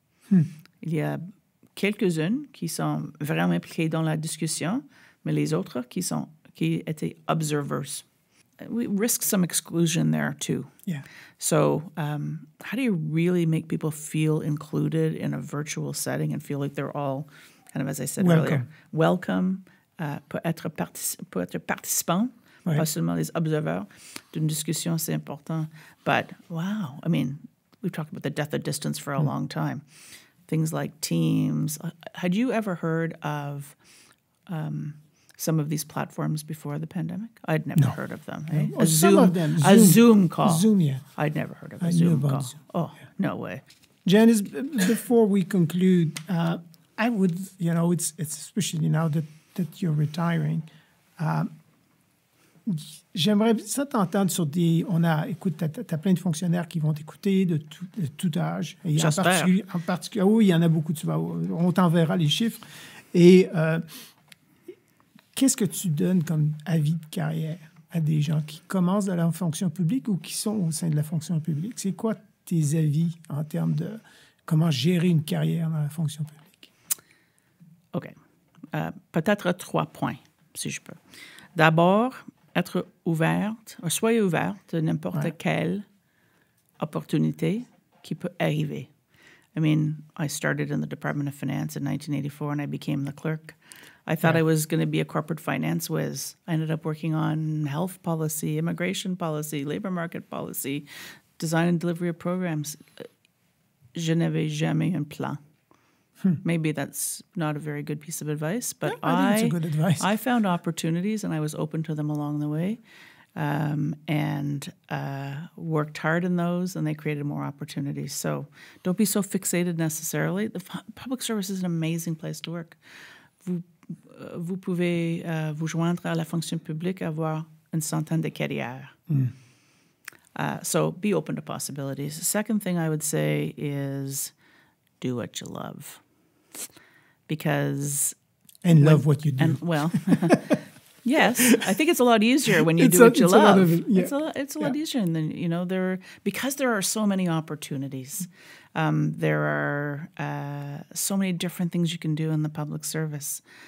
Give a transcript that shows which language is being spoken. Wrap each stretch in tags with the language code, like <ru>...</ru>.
<fr>Il y a quelques-unes qui sont vraiment impliquées dans la discussion, mais les autres qui étaient observers.</fr> <en>We risk some exclusion there too. Yeah. So how do you really make people feel included in a virtual setting and feel like they're all, kind of as I said welcome. Earlier, welcome,</en> <fr>pour être participant,</fr> <en>right.</en> <fr>pas seulement les observeurs, d'une discussion, c'est important.</fr> <en>But wow, I mean, we've talked about the death of distance for a long time. Things like Teams. Had you ever heard of some of these platforms before the pandemic? I'd never heard of them. No. Eh? Some of them. A Zoom call. Zoom, yeah. I'd never heard of a Zoom call. Oh, yeah. No way. Janice, before we conclude, I would, you know, it's especially now that you're retiring.</en> <fr>J'aimerais ça t'entendre sur des... t'as plein de fonctionnaires qui vont t'écouter de tout âge. Et En particulier, oui, il y en a beaucoup. On t'enverra les chiffres. Et... qu'est-ce que tu donnes comme avis de carrière à des gens qui commencent dans la fonction publique ou qui sont au sein de la fonction publique? C'est quoi tes avis en termes de comment gérer une carrière dans la fonction publique? OK. Peut-être trois points, si je peux. D'abord, être ouverte, ou soyez ouverte à n'importe quelle opportunité qui peut arriver.</fr> <en>I mean, I started in the Department of Finance in 1984 and I became the clerk. I thought I was going to be a corporate finance whiz. I ended up working on health policy, immigration policy, labor market policy, design and delivery of programs.</en> <fr>Je n'avais jamais un plan.</fr> <en>Maybe that's not a very good piece of advice, but yeah, I think it's a good advice. I found opportunities and I was open to them along the way and worked hard in those and they created more opportunities. So don't be so fixated necessarily. The public service is an amazing place to work.</en> <fr>Vous pouvez vous joindre à la fonction publique, avoir une centaine de carrières.</fr> <en>So be open to possibilities. The second thing I would say is do what you love. Because... And love what you do. And, well, yes, I think it's a lot easier when you do what you love. It's a lot easier. And then, you know, because there are so many opportunities, there are so many different things you can do in the public service.</en>